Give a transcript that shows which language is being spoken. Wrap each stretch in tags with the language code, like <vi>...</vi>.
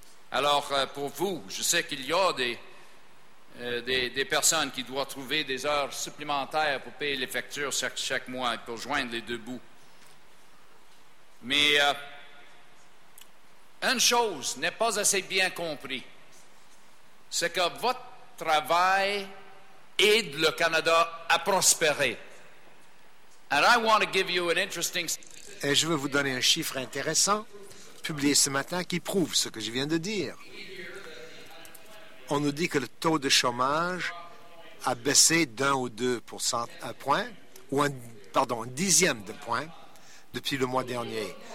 <fr>Alors, pour vous, je sais qu'il y a des personnes qui doivent trouver des heures supplémentaires pour payer les factures chaque mois et pour joindre les deux bouts. Mais une chose n'est pas assez bien comprise, c'est que votre travail aide le Canada à prospérer.</fr> <en>And I want to give you an interesting...</en> <fr>Et je veux vous donner un chiffre intéressant, publié ce matin, qui prouve ce que je viens de dire. On nous dit que le taux de chômage a baissé d'un ou deux points, un dixième de point, depuis le mois dernier.</fr>